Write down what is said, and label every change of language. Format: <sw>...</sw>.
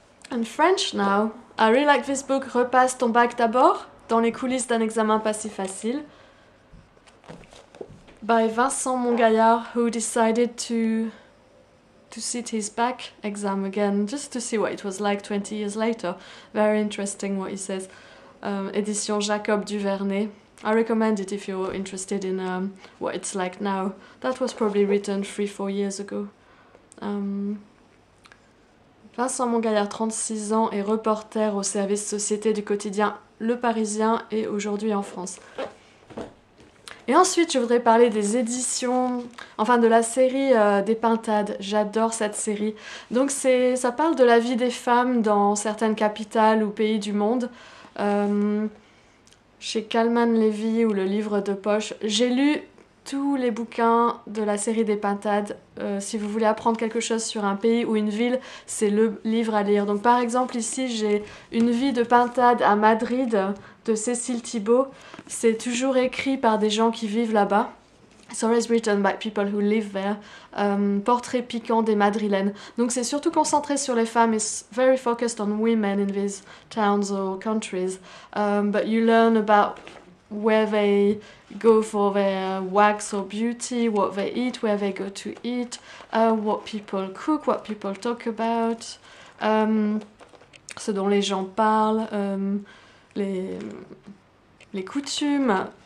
<en>And French now. I really like this book, Repasse ton bac d'abord, dans les coulisses d'un examen pas si facile, by Vincent Montgaillard, who decided to sit his bac exam again, just to see what it was like 20 years later. Very interesting what he says. Édition Jacob Duvernay. I recommend it if you're interested in what it's like now. That was probably written 3, 4 years ago.</en> <fr>Vincent Montgaillard, 36 ans, est reporter au service société du quotidien Le Parisien et aujourd'hui en France. Et ensuite, je voudrais parler des éditions, enfin de la série des Pintades. J'adore cette série. Donc ça parle de la vie des femmes dans certaines capitales ou pays du monde. Chez Calman Levy ou le livre de poche, j'ai lu tous les bouquins de la série des Pintades. Si vous voulez apprendre quelque chose sur un pays ou une ville, c'est le livre à lire. Donc par exemple ici, j'ai Une vie de Pintade à Madrid de Cécile Thibault. C'est toujours écrit par des gens qui vivent là-bas.</fr> <en>It's always written by people who live there.</en> <fr>Portrait piquant des Madrilènes. Donc c'est surtout concentré sur les femmes.</fr> <en>It's very focused on women in these towns or countries. But you learn about where they go for their wax or beauty, what they eat, where they go to eat, what people cook, what people talk about,</en> <fr>ce dont les gens parlent, les coutumes.</fr>